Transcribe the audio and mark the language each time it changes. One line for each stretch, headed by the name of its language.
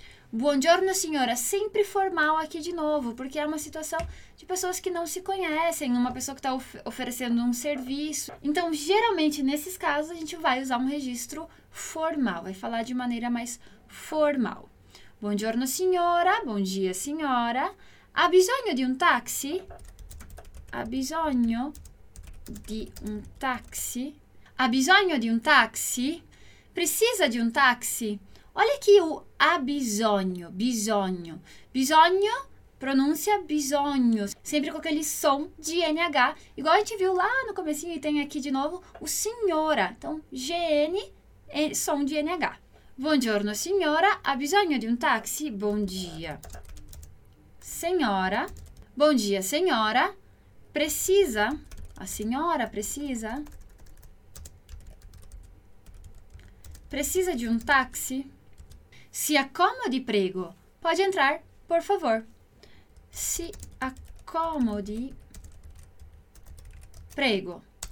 Portuguese: Buongiorno signora, sempre formal aqui de novo, porque é uma situação de pessoas que não se conhecem, uma pessoa que está oferecendo um serviço. Então, geralmente, nesses casos, a gente vai usar um registro formal, vai falar de maneira mais formal.
Italian: Buongiorno signora,
Portuguese: bom dia
Italian: signora, ha bisogno di un taxi? Ha bisogno di un taxi? Ha bisogno di un taxi?
Portuguese: Precisa de um táxi? Olha aqui o ha bisogno, bisogno. Bisogno, pronuncia bisogno, sempre com aquele som de NH, igual a gente viu lá no comecinho e tem aqui de novo o signora. Então, GN, som de NH.
Italian: Buongiorno signora, ha bisogno di un taxi?
Portuguese: Bom dia. Senhora, bom dia senhora, precisa? A senhora precisa? Precisa de um táxi?
Italian: Si accomodi, prego.
Portuguese: Pode entrar, por favor.
Italian: Si accomodi, prego.